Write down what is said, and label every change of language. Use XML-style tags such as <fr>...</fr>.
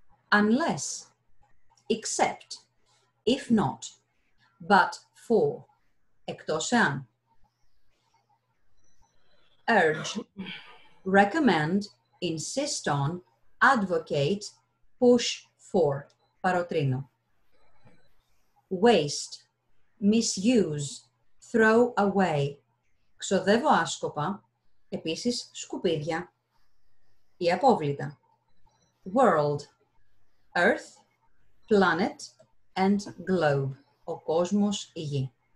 <en>Unless, except, if not, but for,</en> <el>εκτός εάν.</el> <en>Urge, recommend, insist on, advocate, push for,</en> <el>παροτρύνω.</el> <en>Waste, misuse, throw away,</en> <el>ξοδεύω άσκοπα, επίσης σκουπίδια ή απόβλητα.</el> <en>World, earth, planet and globe,</en> <el>ο κόσμος, η γη.</el>